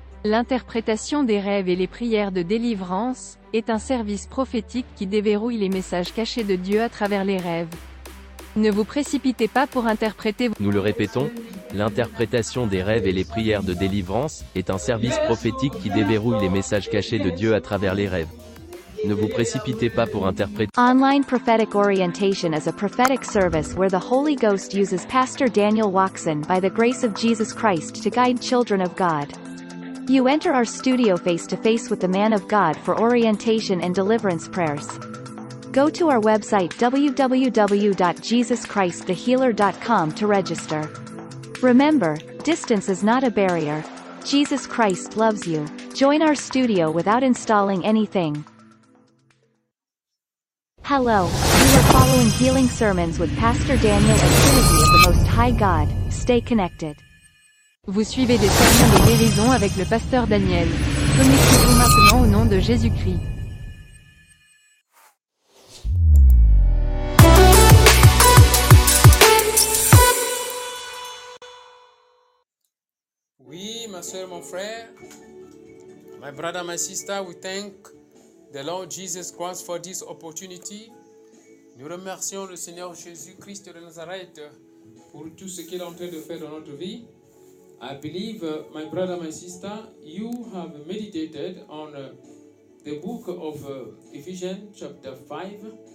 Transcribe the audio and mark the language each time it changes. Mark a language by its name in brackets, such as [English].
[French] L'interprétation des rêves et les prières de délivrance est un service prophétique qui déverrouille les messages cachés de Dieu à travers les rêves. Ne vous précipitez pas pour interpréter. Nous le répétons, l'interprétation des rêves et les prières de délivrance est un service prophétique qui déverrouille les messages cachés de Dieu à travers les rêves. ne vous précipitez pas pour interpréter. [English] Online prophetic orientation is a prophetic service where the Holy Ghost uses Pastor Daniel Waxon by the grace of Jesus Christ to guide children of God. You enter our studio face to face with the man of God for orientation and deliverance prayers. Go to our website www.jesuschristthehealer.com to register. Remember, distance is not a barrier. Jesus Christ loves you. Join our studio without installing anything. Hello, you are following Healing Sermons with Pastor Daniel and Trinity of the Most High God. Stay connected. [French] Vous suivez des sermons de guérison avec le Pasteur Daniel. Connectez-vous maintenant au nom de Jésus-Christ. Oui, ma soeur, mon frère, [English] my brother, my sister, we thank the Lord Jesus Christ for this opportunity. [French] Nous remercions le Seigneur Jésus Christ de Nazareth pour tout ce qu'il est en train de faire dans notre vie. [English] I believe, my brother, my sister, you have meditated on the book of Ephesians chapter 5.